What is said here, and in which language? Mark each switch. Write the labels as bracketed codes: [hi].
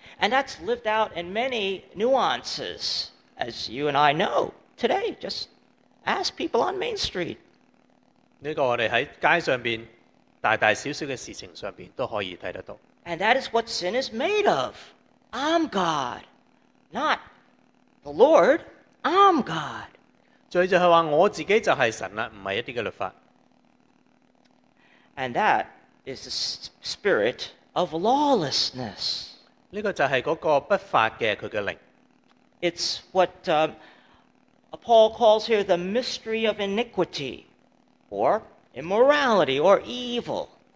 [en] And that's lived out in many nuances, as you and I know today. Just ask people on Main Street. [zh] 这个我们在街上,大大小小的事情上都可以看得到。 [en] And that is what sin is made of. I'm God, not the Lord, I'm God. [zh] 罪就是说我自己就是神,不是一些律法。 [en] And that is the spirit of lawlessness. [zh] 这个就是那个不法的,他的灵。 [en] It's what Paul calls here the mystery of iniquity, or immorality, or evil.